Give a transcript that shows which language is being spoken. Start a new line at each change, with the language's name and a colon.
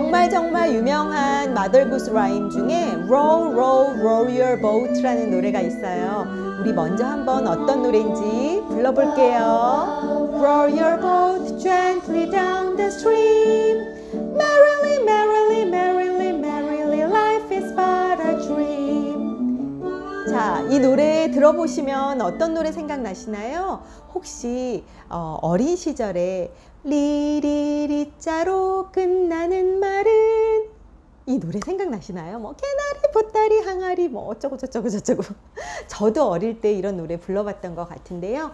Korean: 정말 유명한 마더굿 라임 중에 Row, Row, Row Your Boat라는 노래가 있어요. 우리 먼저 한번 어떤 노래인지 불러볼게요.
English: Row your boat gently down the stream. Merrily, merrily, merrily, merrily, life is but a dream.
Korean: 자, 이 노래 들어보시면 어떤 노래 생각나시나요? 혹시 어린 시절에 리리리 자로 끝나는 말은 이 노래 생각나시나요? 뭐 개나리, 보따리, 항아리 뭐 어쩌고 저쩌고 저쩌고 저도 어릴 때 이런 노래 불러봤던 것 같은데요.